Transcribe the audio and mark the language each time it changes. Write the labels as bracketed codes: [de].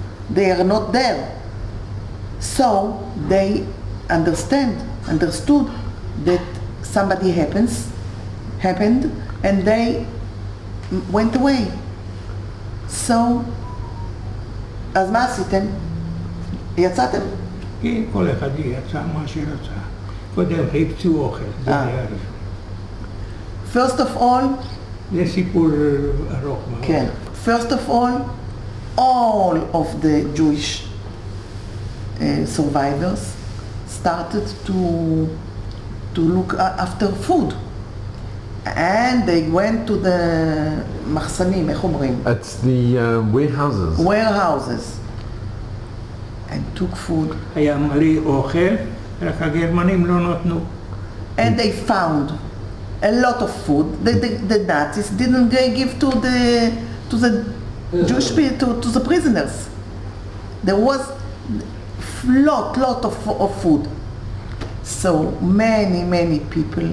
[en] They are not there. So they understood that somebody happened, and they went away. [he] So, אז מה עשיתם? יצאתם? כן, כל אחד יצא מה שרצה. קודם חיפשו אוכל, זה היה הרבה. [en] First of all... [he] זה סיפור ארוך מאוד. כן. [en] First of all, all of the Jewish survivors started to look after food, and they went to the [he] מחסנים, איך אומרים? [en] It's the warehouses. Warehouses, and took food. [he] היה מלא אוכל, רק הגרמנים לא נתנו. [en] And they found a lot of food that the Nazis didn't give to the Jewish people, to the prisoners. There was lot of food. So many, many people.